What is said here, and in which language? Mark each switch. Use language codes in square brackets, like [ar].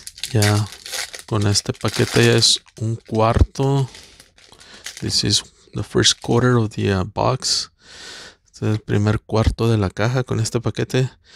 [es] Ya con este paquete ya es un cuarto. [en] This is the first quarter of the box. [es] Este es el primer cuarto de la caja con este paquete.